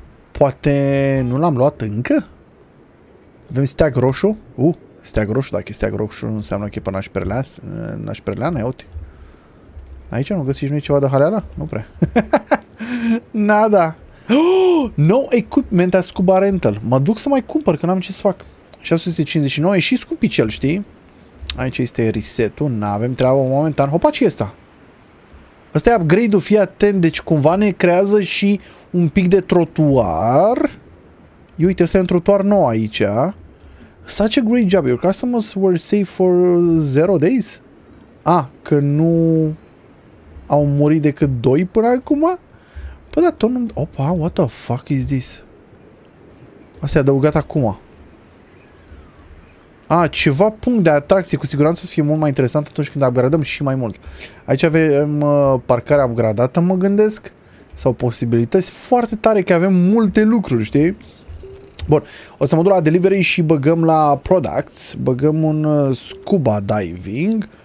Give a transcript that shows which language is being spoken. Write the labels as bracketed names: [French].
[Romanian] Poate nu l-am luat încă? Avem steag roșu? Steag roșu, dacă e steag roșu înseamnă că e pe nașperlea, nașperleană, ia uite. Aici nu găsiți noi ceva de haleală? Nu prea. Nada. [English] No equipment as scuba rental. [Romanian] Mă duc să mai cumpăr, că n-am ce să fac. 659 e și scumpicel, știi? Aici este resetul, n-avem treabă momentan. Hopa, ce e asta? Asta e upgrade-ul, fii atent, deci cumva ne creează și un pic de trotuar. Eu uite, ăsta e un trotuar nou aici. [English] Such a great job, your customers were safe for 0 days? [Romanian] Ah, că nu au murit decât 2 până acum? Păi da, tot nu... [English] Opa, what the fuck is this? [Romanian] Asta e adăugat acum. A, ceva punct de atracție, cu siguranță o să fie mult mai interesant atunci când upgradăm și mai mult. Aici avem parcare upgradată, mă gândesc, sau posibilități foarte tare că avem multe lucruri, știi? Bun, o să mă duc la delivery și băgăm la products, băgăm un scuba diving.